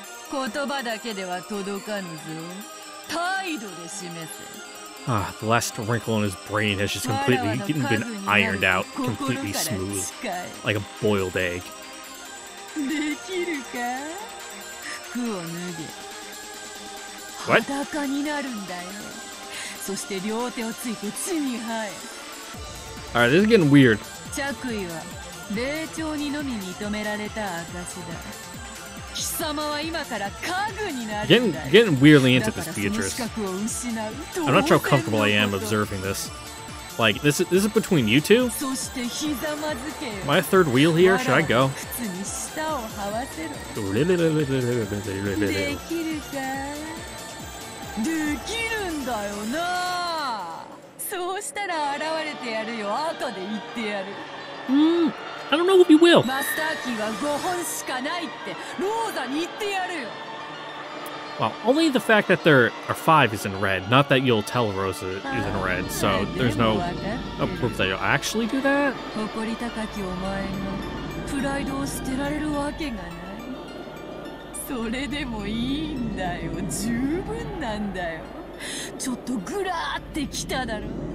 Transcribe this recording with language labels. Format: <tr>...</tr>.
<ja>言葉だけでは届かぬぞ。態度で示せ。</ja> <en>Ah, the last wrinkle in his brain has just completely been ironed out, completely smooth, like a boiled egg.</en> <ja>できるか？服を脱げ。</ja> <en>What?</en> <ja>裸になるんだよ。そして両手をついて地に這え。</ja> <en>All right, this is getting weird. 着衣は霊長にのみ認められた証だ。貴様は今から家具になるんだよ。 Getting weirdly into this, Beatrice. I'm not sure how comfortable I am observing this. Like, this is between you two?</en> <ja>そして膝まずけ。</ja> <en>Am I a third wheel here? Should I go?</en> <ja>靴に舌を這わせろ。レレレレレレレレレレレレレ。できるか？できるんだよな。そうしたら現れてやるよ。後で言ってやる。</ja> <en>I don't know if you will.</en> <ja>マスターキーは5本しかないってローザに言ってやるよ。</ja> <en>Well, only the fact that there are five is in red, not that you'll tell Rosa is in red, so there's no proof that you'll actually do that.</en> <ja>誇り高きお前のプライドを捨てられるわけがない。それでもいいんだよ。十分なんだよ。ちょっとグラーってきただろ。</ja>